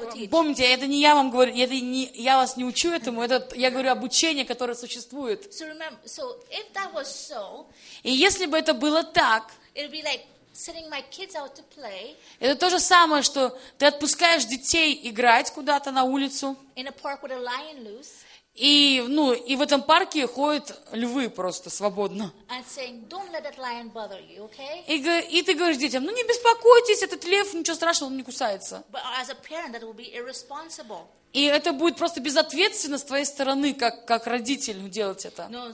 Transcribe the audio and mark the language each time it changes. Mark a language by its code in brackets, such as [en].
[ru] Помните, это не я вам говорю, это не я вас не учу этому, это я говорю обучение, которое существует. [en] So remember, so if that was so, [ru] и если бы это было так, [en] it'd be like sending my kids out to play, [ru] это то же самое, что ты отпускаешь детей играть куда-то на улицу. [en] In a park with a lion loose, [ru] и, ну, и в этом парке ходят львы просто свободно. [en] Saying, don't let that lion bother you, okay? [ru] И ты говоришь детям, ну не беспокойтесь, этот лев, ничего страшного, он не кусается. [en] But as a parent, that will be irresponsible. [ru] И это будет просто безответственно с твоей стороны, как родитель, делать это.